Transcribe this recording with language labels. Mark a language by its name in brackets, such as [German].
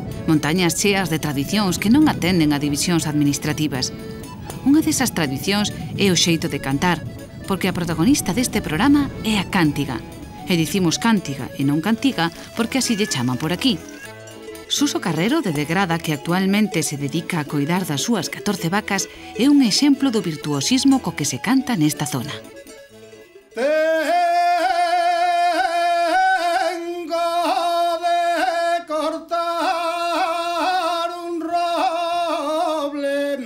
[Galician] Montañas cheas de tradicións que non atenden a divisións administrativas. Unha desas tradicións é o xeito de cantar, porque a protagonista deste programa é a cántiga. E dicimos cántiga e non cantiga porque así lle chaman por aquí. Suso Carrero de Degrada, que actualmente se dedica a coidar das súas 14 vacas, é un exemplo do virtuosismo co que se canta nesta zona. [Spanish] Tengo de cortar un roble.